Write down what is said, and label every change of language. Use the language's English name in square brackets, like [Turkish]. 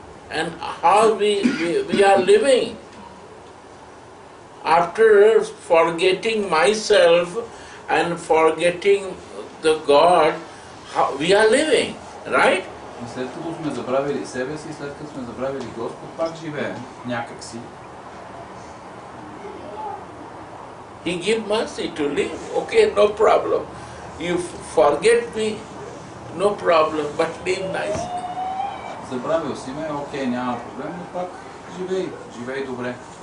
[English] And how we are living? After forgetting myself and forgetting the God, how we are living, right? [Bulgarian] След като сме забравили себе си, след като сме забравили Господ, пак живеем някак си. [English] He give mercy to live. Okay, no problem. You forget me, no problem, but live nice. [Bulgarian] Забравил си ме, окей, няма проблем, но пак живей, живей добре.